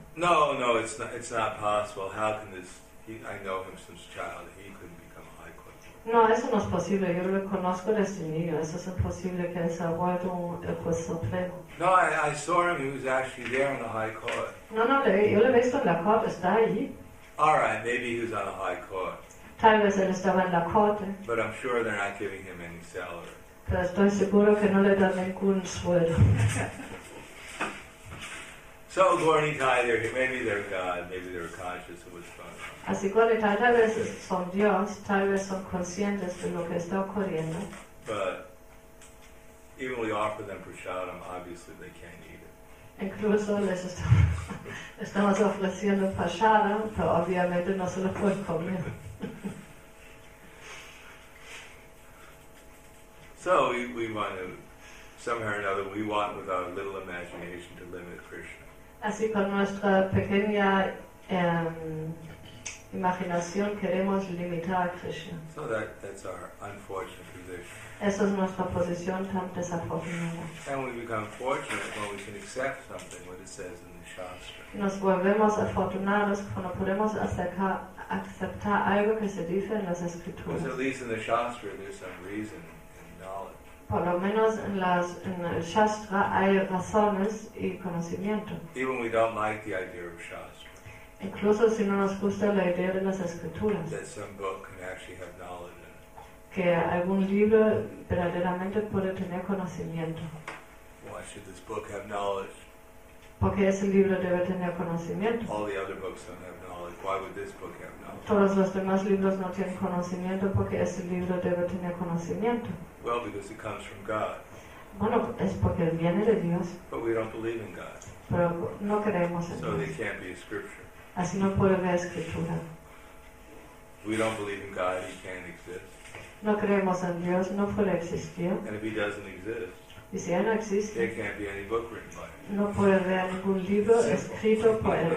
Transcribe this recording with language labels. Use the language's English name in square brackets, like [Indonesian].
[English] No, it's not possible. How can this, I know him since child. He couldn't become a high court judge. [Spanish] No, eso no es posible. Yo lo conozco desde niño. Eso es imposible que se ha vuelto un juez supremo. [English] No, I saw him. He was actually there on the high court. [Spanish] No, yo lo he visto en la corte. Está allí. [English] All right, maybe he was on a high court. [Spanish] Tal vez él estaba en la corte. [English] But I'm sure they're not giving him any salary. [Spanish] Pero estoy seguro que no le dan ningún sueldo. [English] So Gornitai, maybe they're God, maybe they're conscious of what's going on. [Spanish] Así Gornitai, tal vez son Dios, tal vez son conscientes de lo que está ocurriendo. [English] But even we offer them prasadam, obviously they can't eat it. [Spanish] Incluso les estamos ofreciendo prasadam, pero obviamente no se lo pueden comer. [English] So we want to, somehow or another, we want with our little imagination to limit Krishna. [Spanish] Así con nuestra pequeña imaginación queremos limitar a Krishna. [English] So that's our unfortunate position. [Spanish] Esa es nuestra posición tan desafortunada. [English] And we become fortunate when we can accept something, what it says in the Shastra. [Spanish] Nos volvemos afortunados cuando podemos aceptar algo que se dice en las Escrituras. [English] Because at least in the Shastra there's some reason in knowledge. [Spanish] Por lo menos en el Shastra hay razones y conocimiento. [English] Even we don't like the idea of Shastra. [Spanish] Incluso si no nos gusta la idea de las Escrituras. [English] That some book can actually have knowledge in it. [Spanish] Que algún libro verdaderamente puede tener conocimiento. [English] Why should this book have knowledge? [Spanish] Porque ese libro debe tener conocimiento. [English] All the other books don't have knowledge. Why would this book have knowledge? [Spanish] Todos los demás libros no tienen conocimiento porque ese libro debe tener conocimiento. [English] Well, because it comes from God. [Spanish] Bueno, es porque viene de Dios. [English] But we don't believe in God. [Spanish] Pero no creemos en [English] so [Spanish] Dios. [English] So there can't be a scripture. [Spanish] Así no puede haber escritura. [English] We don't believe in God, he can't exist. [Spanish] No creemos en Dios, no puede existir. [English] And if he doesn't exist, [Spanish] y si él no existe, [English] there can't be any book written by him. [Spanish] No puede haber ningún libro escrito por él.